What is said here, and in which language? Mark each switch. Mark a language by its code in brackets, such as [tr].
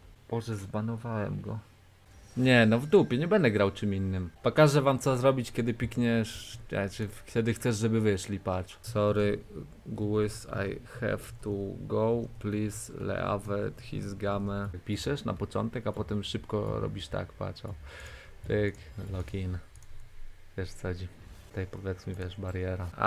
[pl] Boże, zbanowałem go. Nie no, w dupie, nie będę grał czym innym. Pokażę wam co zrobić, kiedy pikniesz, znaczy kiedy chcesz, żeby wyszli, patrz. [en] Sorry, Guys, I have to go, please, leave his game. [pl] Piszesz na początek, a potem szybko robisz tak, patrz. Pyk, lock in. Wiesz co chodzi. Tutaj powiedzmy, wiesz, bariera.